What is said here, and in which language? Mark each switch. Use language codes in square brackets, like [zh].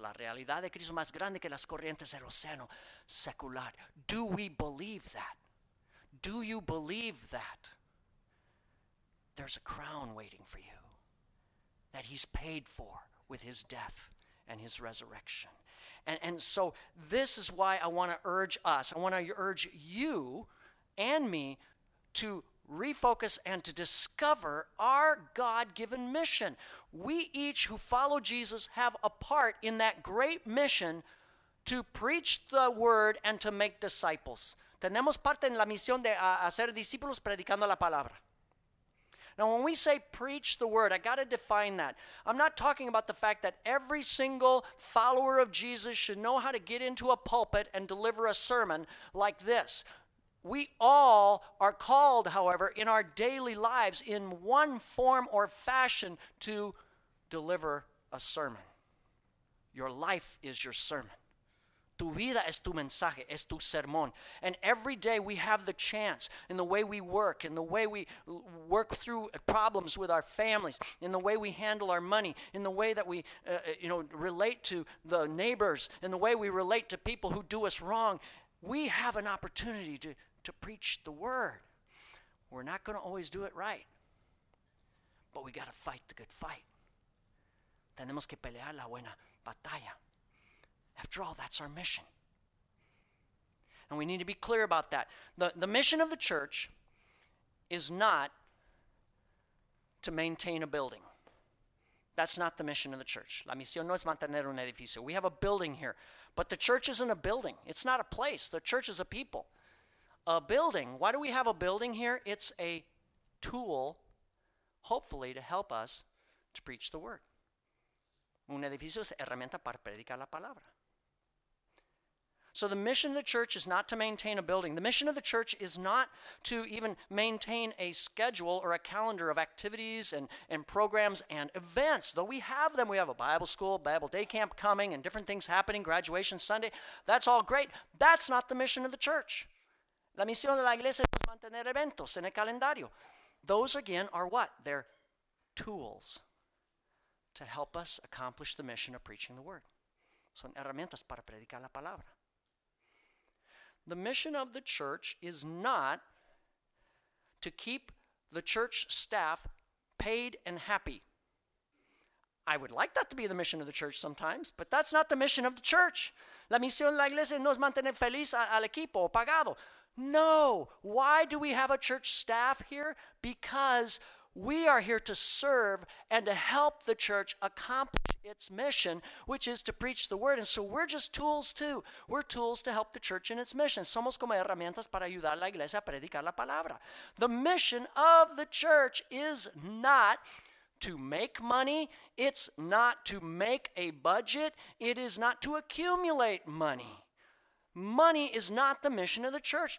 [es] La realidad de Cristo es más grande que las corrientes del océano secular. [en] Do we believe that? Do you believe that? There's a crown waiting for you. that he's paid for with his death and his resurrection. And so this is why I want to urge us, I want to urge you and me to refocus and to discover our God-given mission. We each who follow Jesus have a part in that great mission to preach the word and to make disciples. [es] Tenemos parte en la misión de hacer discípulos predicando la palabra. [en] Now, when we say preach the word, I got to define that. I'm not talking about the fact that every single follower of Jesus should know how to get into a pulpit and deliver a sermon like this. We all are called, however, in our daily lives in one form or fashion to deliver a sermon. Your life is your sermon. [es] Tu vida es tu mensaje, es tu sermón. [en] And every day we have the chance in the way we work, in the way we work through problems with our families, in the way we handle our money, in the way that we relate to the neighbors, in the way we relate to people who do us wrong. We have an opportunity to preach the word. We're not going to always do it right, but we got to fight the good fight. [es] Tenemos que pelear la buena batalla. [en] After all, that's our mission. And we need to be clear about that. The mission of the church is not to maintain a building. That's not the mission of the church. [es] La misión no es mantener un edificio. [en] We have a building here. But the church isn't a building. It's not a place. The church is a people. A building. Why do we have a building here? It's a tool, hopefully, to help us to preach the word. [es] Un edificio es herramienta para predicar la palabra. [en] So the mission of the church is not to maintain a building. The mission of the church is not to even maintain a schedule or a calendar of activities and programs and events. Though we have them, we have a Bible school, Bible day camp coming, and different things happening, graduation Sunday. That's all great. That's not the mission of the church. [es] La misión de la iglesia es mantener eventos en el calendario. [en] Those, again, are what? They're tools to help us accomplish the mission of preaching the word. [es] Son herramientas para predicar la palabra. [en] The mission of the church is not to keep the church staff paid and happy. I would like that to be the mission of the church sometimes, but that's not the mission of the church. [es] La misión de la iglesia no es mantener feliz al equipo pagado. [en] No. Why do we have a church staff here? Because we are here to serve and to help the church accomplish its mission, which is to preach the word. And so we're just tools too. We're tools to help the church in its mission. [es] Somos como herramientas para ayudar a la iglesia a predicar la palabra. [en] The mission of the church is not to make money. It's not to make a budget. It is not to accumulate money. Money is not the mission of the church.